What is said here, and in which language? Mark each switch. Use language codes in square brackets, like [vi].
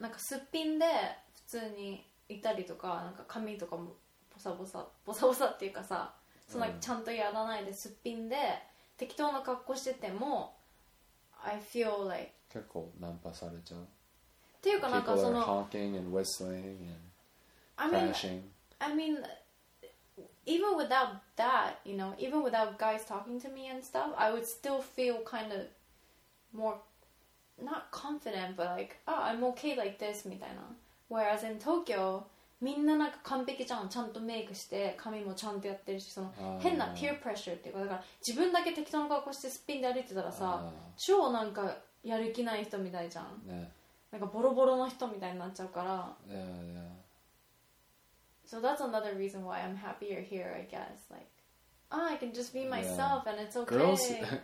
[ja] なんかすっぴんで普通にいたりとか、なんか髪とかもボサボサ、ボサボサっていうかさ、そのちゃんとやらないですっぴんで、適当な格好してても、 [en] I feel like... [ja] 結構ナンパされちゃう。っていうかなんかその... [en] People are honking and whistling and crashing. I mean... Even without that, you know, even without guys talking to me and stuff, I would still feel kind of more, not confident, but like, oh, I'm okay like this, [ja] みたいな. [en] Whereas in Tokyo, [ja] みんななんか完璧じゃん、ちゃんとメイクして髪もちゃんとやってるし、その変なピュープレッシャーっていうか、だから自分だけ適当な格好してスピンで歩いてたらさ、超なんかやる気ない人みたいじゃん、なんかボロボロの人みたいになっちゃうから。 [en] So that's another reason why I'm happier here, I guess. Like, ah, I can just be myself and it's okay.